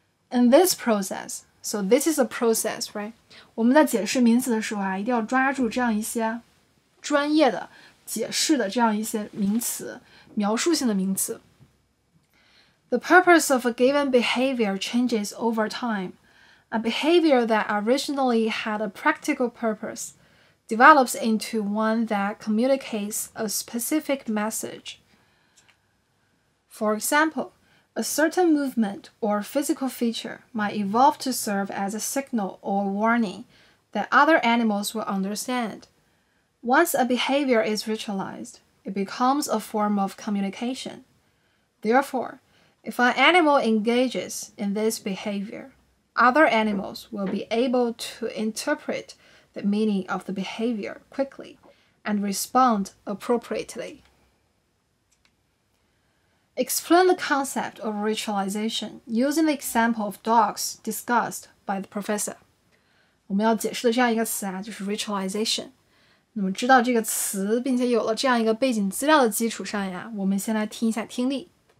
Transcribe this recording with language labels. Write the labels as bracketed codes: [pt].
[en] In this process, so this is a process, right? [zh] 我们在解释名词的时候啊，一定要抓住这样一些专业的解释的这样一些名词，描述性的名词。 [en] The purpose of a given behavior changes over time. A behavior that originally had a practical purpose develops into one that communicates a specific message. For example, a certain movement or physical feature might evolve to serve as a signal or warning that other animals will understand. Once a behavior is ritualized, it becomes a form of communication. Therefore,If an animal engages in this behavior, other animals will be able to interpret the meaning of the behavior quickly and respond appropriately. Explain the concept of ritualization using the example of dogs discussed by the professor. [zh] 我们要解释的这样一个词啊，就是 ritualization。那么知道这个词，并且有了这样一个背景资料的基础上呀，我们先来听一下听力。